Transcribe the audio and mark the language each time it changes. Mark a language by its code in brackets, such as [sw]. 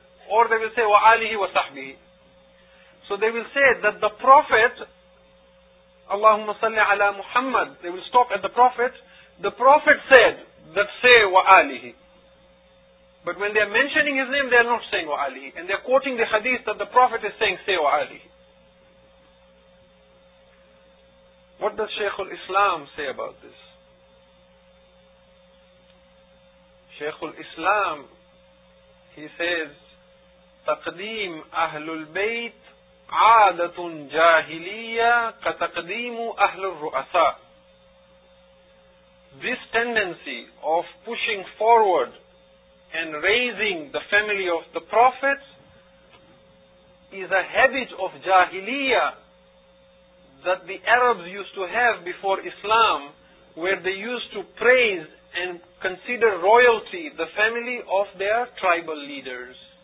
[en] or they will say wa alihi wa sahbihi. So they will say that the Prophet, [ar] Allahumma salli ala Muhammad, [en] they will stop at the Prophet said that say wa alihi. But when they are mentioning his name, they are not saying wa alihi. And they are quoting the hadith that the Prophet is saying say wa alihi. What does Shaykh al-Islam say about this? [ar] Shaykh al-Islam, [en] he says, [ar] تَقْدِيم أَهْلُ الْبَيْتِ عَادَةٌ جَاهِلِيَّةٌ كَتَقْدِيمُ أَهْلُ الرُّؤَسَاءِ. [en] This tendency of pushing forward and raising the family of the prophets is a habit of Jahiliya that the Arabs used to have before Islam, where they used to praise and consider royalty the family of their tribal leaders.